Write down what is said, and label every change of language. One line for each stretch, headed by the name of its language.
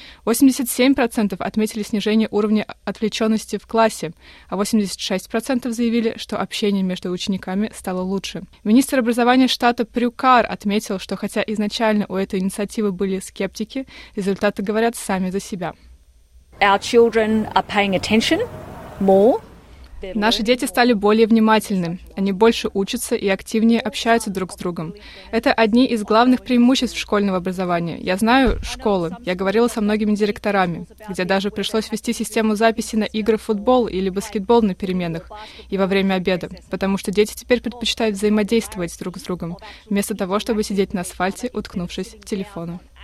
Russian: 87% отметили снижение уровня отвлеченности в классе, а 86% заявили, что общение между учениками стало лучше. Министр образования штата Прюкар отметил, что хотя изначально у этой инициативы были скептики, результаты говорят сами за себя.
English: Our children are paying attention more.
Russian: Наши дети стали более внимательны, они больше учатся и активнее общаются друг с другом. Это одни из главных преимуществ школьного образования. Я знаю школы, я говорила со многими директорами, где даже пришлось ввести систему записи на игры в футбол или баскетбол на переменах и во время обеда, потому что дети теперь предпочитают взаимодействовать друг с другом, вместо того, чтобы сидеть на асфальте, уткнувшись в телефоны.